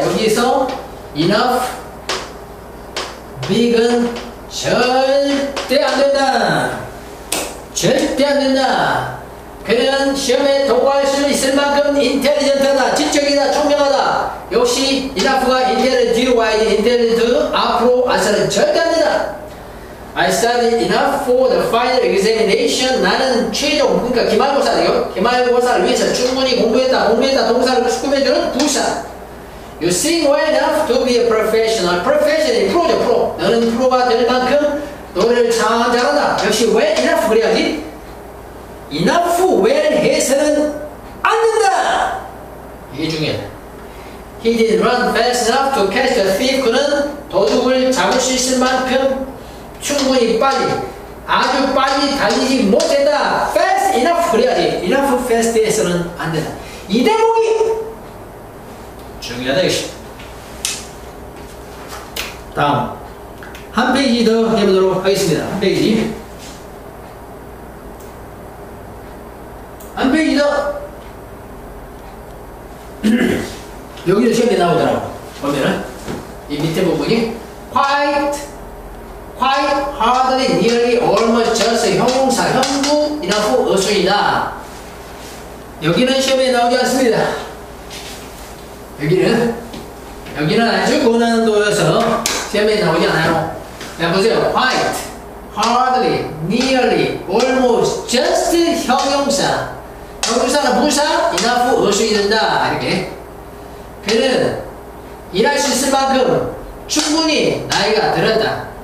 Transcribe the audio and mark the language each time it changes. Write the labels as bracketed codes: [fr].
[ko] 여기서 enough big은 절대 안 된다. 절대 안 된다. 그는 시험에 통과할 수 있을 만큼 intelligent하다. 지적이다. 총명하다. 역시 enough가 intelligent 앞으로 아서는 절대 안 된다. [en] I studied enough for the final examination. [ko] 나는 최종, 그러니까 기말고사죠. 기말고사를 위해서 충분히 공부했다, 동사를 꾸며주는 부사. [en] You sing well enough to be a professional. [ko] Professional, 프로죠, 프로. 너는 프로가 될 만큼 노래를 잘한다. 역시 well enough 그래야지. Enough well 해서는 안 된다. 이게 중요해. [en] He didn't run fast enough to catch the thief. [ko] 그는 도둑을 잡을 수 있을 만큼 충분히 빨리 아주 빨리 달리지 못했다. [en] Fast enough 그래야지. [ko] Enough fast 에서는 안 된다. 이 대목이 중요하다. 역시 다음 한 페이지 더 해보도록 하겠습니다. 한 페이지 더 여기도 시험에 나오더라고. 보면은 이 밑에 부분이 quite hardly, nearly, almost, just, 형용사, 형부, enough, 어순이다. 여기는 시험에 나오지 않습니다. 여기는 아주 고난도여서 시험에 나오지 않아요. 자, 보세요. quite, hardly, nearly, almost, just, 형용사. 형용사는 부사, enough, 어순이 된다. 이렇게. 그는 일할 수 있을 만큼 충분히 나이가 들었다.